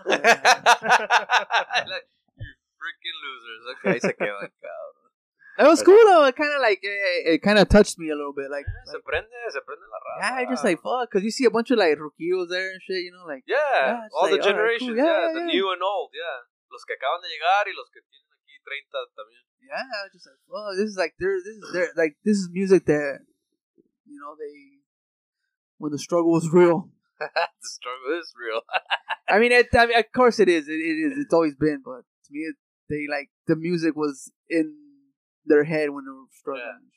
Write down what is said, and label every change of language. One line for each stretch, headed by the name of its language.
English: Like, you freaking losers. Okay. It's like, that was cool though. It kind of like it kind of touched me a little bit. Like, yeah,
Spanish: se prende la raza.
English: Yeah, I just like fuck, cause you see a bunch of like rookies there and shit. You know, like all like, the generations, cool. The new and old, yeah.
Spanish: Los que acaban de llegar y los que tienen aquí 30 también.
English: Yeah, I was just like, well, this is music that, you know, they when the struggle is real. The struggle is real. I mean, of course it is. It is. It's always been, but to me, the music was in their head when they were struggling.